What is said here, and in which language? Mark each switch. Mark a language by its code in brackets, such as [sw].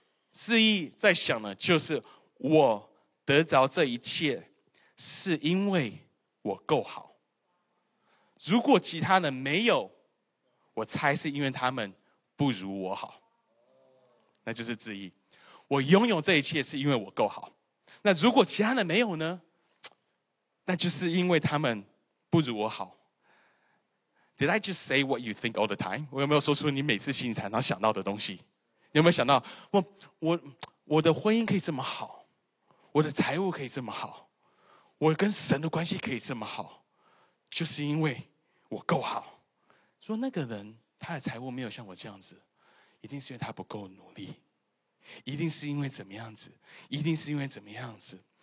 [zh] 自义在想的就是我得着这一切是因为我够好，如果其他人没有，我猜是因为他们不如我好，那就是自义。我拥有这一切是因为我够好，那如果其他人没有呢，那就是因为他们不如我好。 [en] Did I just say what you think all the time? [zh] 我有没有说出你每次心里常常想到的东西？你有没有想到 我的婚姻可以这么好，我的财务可以这么好，我跟神的关系可以这么好，就是因为我够好。说那个人他的财务没有像我这样子，一定是因为他不够努力，一定是因为怎么样子，一定是因为怎么样子。